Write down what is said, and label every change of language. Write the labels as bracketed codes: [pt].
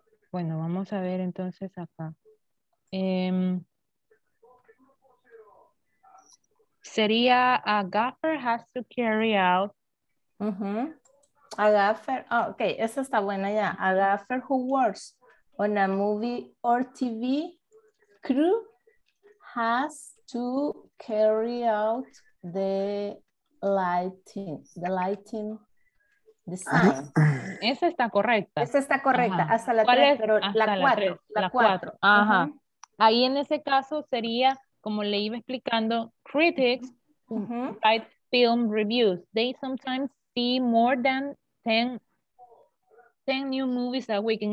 [es] Bueno, vamos a ver entonces acá. Sería [en] a gaffer has to carry out. A gaffer, oh, ok, [es] esa está buena ya. [en] A gaffer who works on a movie or TV crew has to carry out the lighting design. [es] Esa está correcta. Esa está correcta. Ajá. Hasta la 3, pero la 4. Ajá. Ahí en ese caso sería, como le iba explicando, [en] critics write film reviews. They sometimes see more than 10 new movies a week.